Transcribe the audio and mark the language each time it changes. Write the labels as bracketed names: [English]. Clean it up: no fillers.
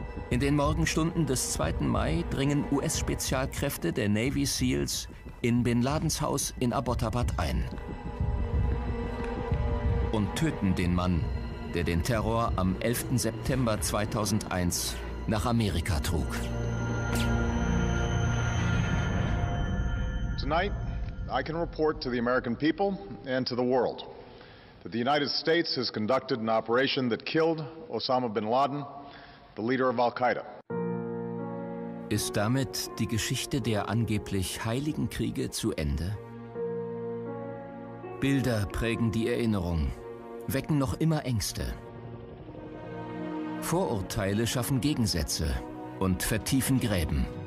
[German] In den Morgenstunden des 2. Mai dringen US-Spezialkräfte der Navy SEALs in Bin Ladens Haus in Abbottabad ein. Und töten den Mann, der den Terror am 11. September 2001 nach Amerika trug. [English] Tonight, I can report to the American people and to the world that the United States has conducted an operation that killed Osama bin Laden. The leader of Al-Qaida. [German] Ist damit die Geschichte der angeblich heiligen Kriege zu Ende? Bilder prägen die Erinnerung, wecken noch immer Ängste. Vorurteile schaffen Gegensätze und vertiefen Gräben.